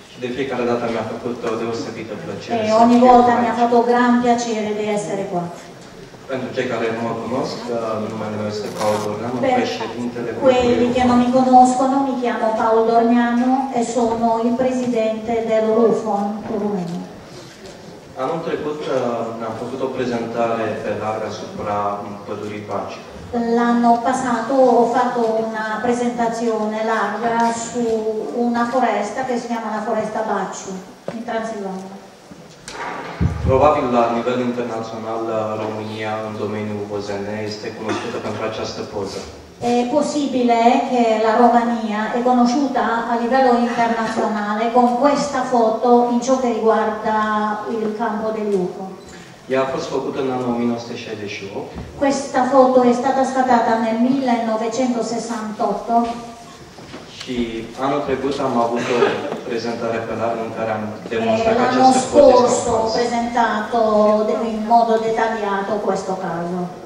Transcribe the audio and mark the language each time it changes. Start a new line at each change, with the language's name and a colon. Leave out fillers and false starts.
Romanian: De fiecare dată mi-a făcut deosebită plăcere.
Italian: E ogni volta mi ha fatto gran piacere di essere qua.
Romanian: Pentru cei care nu mă cunosc, numele meu este Paul Dorneanu, președintele
Italian: Quelli che non mi conoscono, mi chiamo Paul Dorneanu e sono il presidente del RUFON Rumeni.
Romanian: Anul trecut ne-am făcut o prezentare pe larga supra pădurii Paci.
Italian: L'anno passato ho fatto una presentazione larga su una foresta che si chiama la foresta Paci, in Transilvania.
Romanian: Probabil la nivel internațional România în domeniul OZN este cunoscută pentru această poză. E posibil că la România e cunoscută a nivel internațional cu această foto în ceea ce
Italian: riguarda il campo del UFO.
Romanian: Ea a fost făcută în anul 1968.
Italian: Questa foto è stata scattata nel 1968.
Romanian: Și anul trecut am avut o prezentare pe larg în care am demonstrat că această poză.
Italian: Scorso ho presentato in modo dettagliato questo caso.